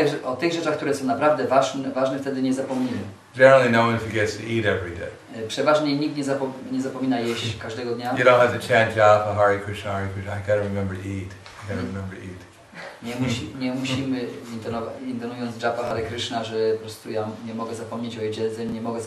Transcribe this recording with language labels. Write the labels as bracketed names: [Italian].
[Polish] O tych rzeczach, które są naprawdę ważne, wtedy nie zapomnimy. [English] Generally, no one forgets to eat every day. [Polish] Przeważnie nikt nie zapomina jeść każdego dnia. [English] You don't have to chant Japa, Hare Krishna, Hare Krishna. I gotta remember to eat. I gotta remember to eat. [Polish] Nie musimy intonując Japa, Hare Krishna, że po prostu ja nie mogę zapomnieć o jedzeniu,